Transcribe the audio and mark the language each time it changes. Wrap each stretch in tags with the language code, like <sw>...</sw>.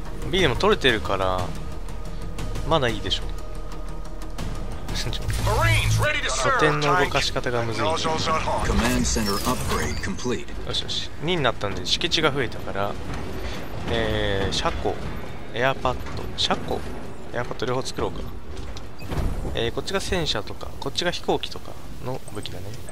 <ja>B でも取れてるからまだいいでしょ。</ja> <en>Marines ready to serve.</en> <ja>拠点の動かし方がむずい。</ja> <en>Command center upgrade complete.</en> <ja>よしよし。 2になったんで敷地が増えたから、車庫、エアパッド、車庫、エアパッド両方作ろうか。こっちが戦車とか、こっちが飛行機とかの武器だね。</ja>